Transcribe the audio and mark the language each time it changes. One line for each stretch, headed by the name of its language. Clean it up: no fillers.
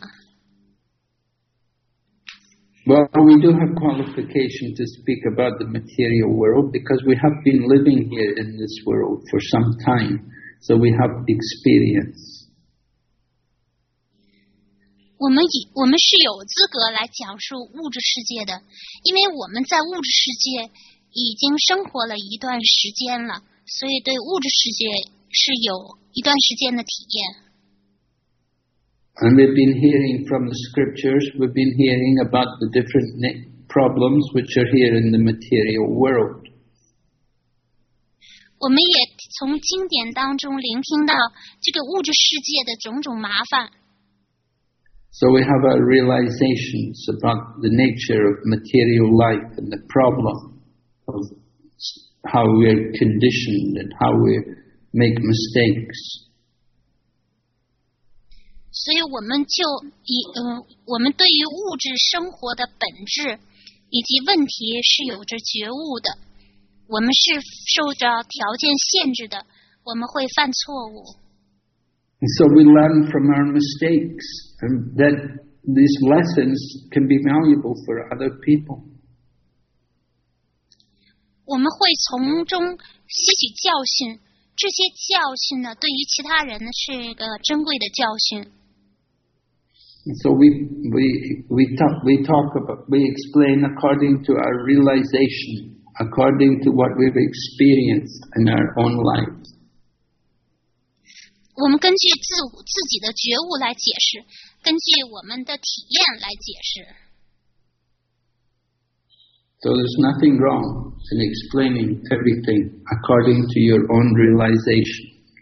English: Hare Krishna. Well, we do have qualification to speak about the material world because we have been living here in this world for some time, so we have experience.
Chinese: 我们是有资格来讲述物质世界的，因为我们在物质世界已经生活了一段时间了，所以对物质世界是有一段时间的体验。
English: And we've been hearing from the scriptures, we've been hearing about the different problems which are here in the material world.
Chinese: 我们也从经典当中聆听到这个物质世界的种种麻烦。
English: So we have our realizations about the nature of material life and the problem of how we're conditioned and how we make mistakes.
Chinese: 所以我们就以我们对于物质生活的本质以及问题是有着觉悟的，我们是受着条件限制的，我们会犯错误。
English: And so we learn from our mistakes, and that these lessons can be valuable for other people.
Chinese: 我们会从中吸取教训，这些教训呢，对于其他人呢是一个珍贵的教训。
English: So we explain according to our realization, according to what we've experienced in our own life.
Chinese: 我们根据自己的觉悟来解释，根据我们的体验来解释。
English: So there's nothing wrong in explaining everything according to your own realization.